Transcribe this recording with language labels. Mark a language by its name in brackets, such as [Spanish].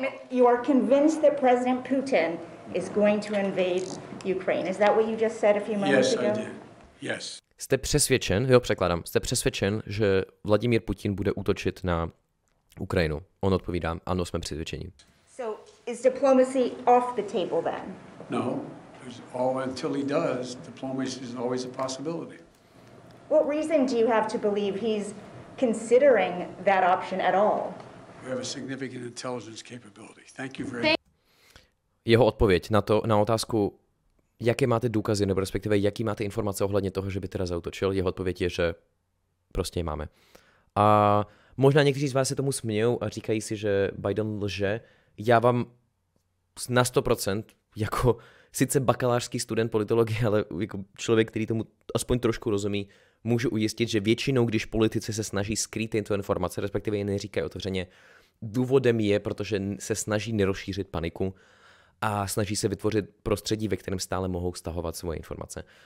[English] You are convinced that President Putin is going to invade Ukraine. Is that what you just said a few moments ago? Yes, I do. Yes. [Czech] Jste přesvědčen, jo, překládám, jste přesvědčen, že Vladimír Putin bude útočit na Ukrajinu. On odpovídá, ano, jsme přesvědčeni. [English] So is diplomacy off the table then? No, until he does, diplomacy is always a possibility. What reason do you have to believe he's considering that option at all? We have a significant intelligence capability. Thank you very much. [Czech] Jeho odpověď na to, na otázku, jaké máte důkazy, nebo respektive jaký máte informace ohledně toho, že by teda zautočil, jeho odpověď je, že prostě je máme. A možná někteří z vás se tomu smějou a říkají si, že Biden lže. Já vám na 100%, jako sice bakalářský student politologie, ale jako člověk, který tomu aspoň trošku rozumí, můžu ujistit, že většinou, když politici se snaží skrýt tyto informace, respektive je neříkají otevřeně, důvodem je, protože se snaží nerozšířit paniku a snaží se vytvořit prostředí, ve kterém stále mohou stahovat svoje informace.